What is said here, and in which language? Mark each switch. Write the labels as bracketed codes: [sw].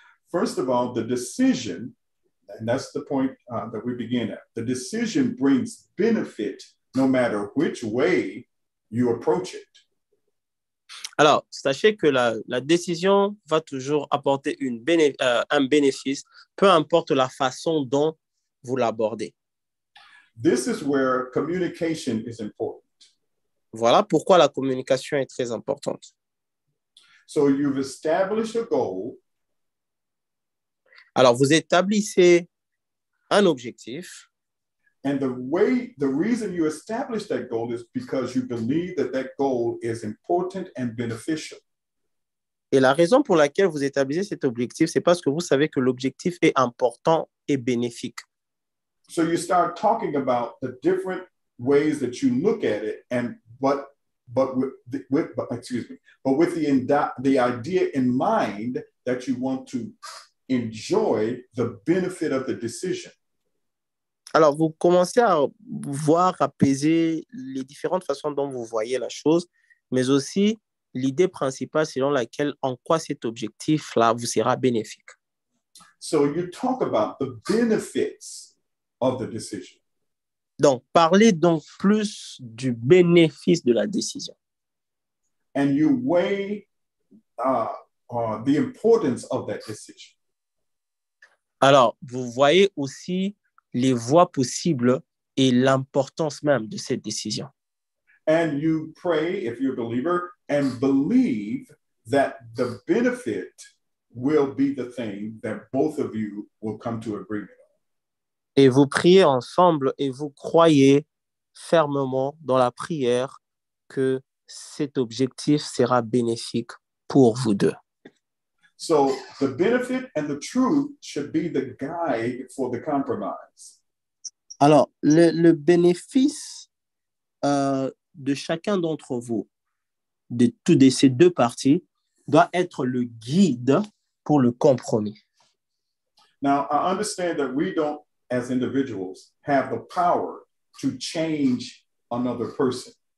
[en] First of all, the decision, and that's the point that we begin at, the decision brings benefit no matter which way you approach it. [fr] Alors, sachez que la décision va toujours apporter un bénéfice, peu importe la façon dont vous l'abordez. [en] This is where communication is important. [fr] Voilà pourquoi la communication est très importante. [en] So you've established a goal. [fr] Alors, vous établissez un objectif. [en] And the reason you establish that goal is because you believe that that goal is important and beneficial. [fr] Et la raison pour laquelle vous établissez cet objectif, c'est parce que vous savez que l'objectif est important et bénéfique. [en] So you start talking about the different ways that you look at it and but with the idea in mind that you want to enjoy the benefit of the decision. [fr] Alors, vous commencez à voir, à peser les différentes façons dont vous voyez la chose, mais aussi l'idée principale selon laquelle en quoi cet objectif-là vous sera bénéfique. [en] So you talk about the benefits of the decision. [fr] Donc, parlez donc plus du bénéfice de la décision. [en] And you weigh the importance of that decision. [fr] Alors, vous voyez aussi les voies possibles et l'importance même de cette décision. [en] And you pray, if you're a believer, and believe that the benefit will be the thing that both of you will come to agreement on. [fr] Et vous priez ensemble et vous croyez fermement dans la prière que cet objectif sera bénéfique pour vous deux. [en] So the benefit and the truth should be the guide for the compromise. [fr] Alors, le bénéfice de chacun d'entre vous, de ces deux parties, doit être le guide pour le compromis. [en] Now, I understand that we don't, as individuals, have the power to change another person.